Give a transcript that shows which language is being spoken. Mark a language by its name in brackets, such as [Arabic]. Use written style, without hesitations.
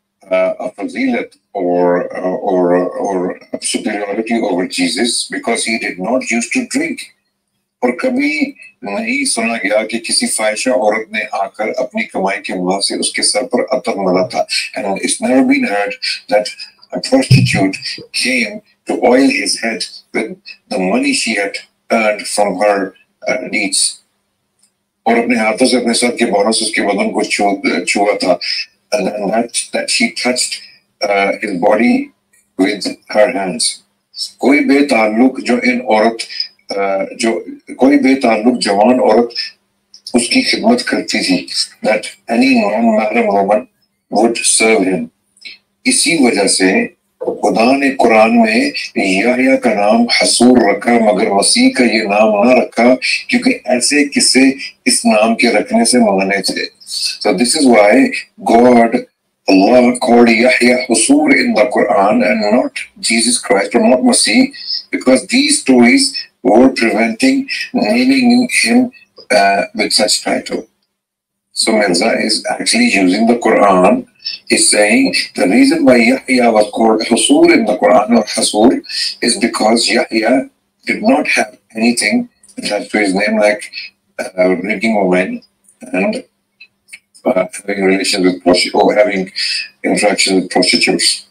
[English] A fazilat or superiority over Jesus because he did not used to drink. [Urdu] اور کبھی نہیں سنا گیا کہ کسی فائشہ عورت نے آ کر اپنی کمائی کے مال سے اس کے سر پر عطر ملا تھا. [English] And it's never been heard that a prostitute came to oil his head with the money she had earned from her deeds. [Urdu] اور اپنے ہاتھوں سے اپنے سر کے بالوں سے اس کے بدن کو چھوا تھا. [English] And that she touched his body with her hands. [Urdu] کوئی بے تعلق جو ان عورت جو کوئی بے تعلق جوان عورت اس کی خدمت کرتی تھی. [English] That any non-Muslim woman would serve him. [Urdu] اسی وجہ سے خدا نے قرآن میں یحیی کا نام حصور رکھا مگر مسیح کا یہ نام نہ رکھا کیونکہ ایسے قصے اس نام کے رکھنے سے منع تھے. [English] So this is why God, Allah called Yahya Husur in the Quran and not Jesus Christ or not Masih, because these stories were preventing naming him with such title. So Mirza is actually using the Quran. He's saying the reason why Yahya was called Husur in the Quran or Husur is because Yahya did not have anything attached to his name like drinking women and having relations with prostitutes or having interactions with prostitutes.